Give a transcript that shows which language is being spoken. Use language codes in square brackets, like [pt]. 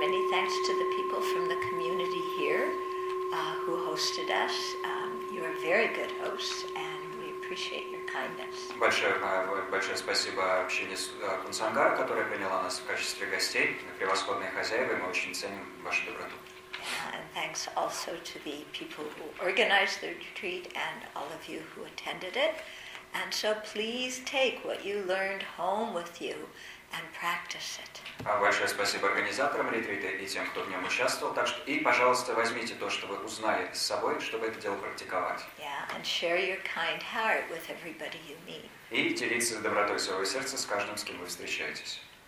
[en] Thanks to the people from the community here who hosted us. You are very good hosts, and we appreciate your kindness. [ru] Большое спасибо общине Кунсангара, которая приняла нас в качестве гостей. Превосходные хозяева, мы очень ценим вашу доброту. [en] And thanks also to the people who organized the retreat and all of you who attended it. And so please take what you learned home with you and practice it. [ru] Большое спасибо организаторам ретрита и тем, кто в нем участвовал. Так что, и, пожалуйста, возьмите то, что вы узнали с собой, чтобы это дело практиковать. [en] Yeah, and share your kind heart with everybody you meet. [ru] И делиться добротой своего сердца с каждым, с кем вы встречаетесь.